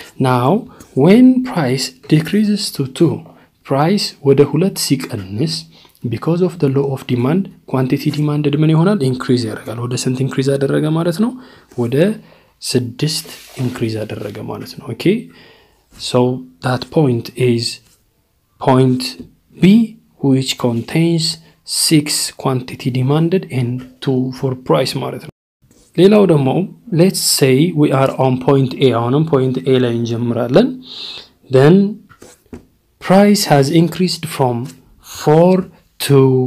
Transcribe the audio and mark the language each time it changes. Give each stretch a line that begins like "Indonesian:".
English: Now when price decreases to 2,
Amharic: price ወደ 2 ሲቀንስ
English: because of the law of demand quantity demanded
Amharic: ምን ይሆናል?
English: increase
Amharic: ያደርጋል. ወደ ስንት increase ያደረገ ማለት ነው? ወደ 6 increase ያደረገ ማለት ነው.
English: Okay, so that point is point B which contains 6 quantity demanded and 2 for price
Amharic: ማለት ነው. ሌላው ደግሞ
English: let's say we are on point A.
Amharic: አሁንም point A ላይ እንጀምራለን.
English: Then price has increased from 4 to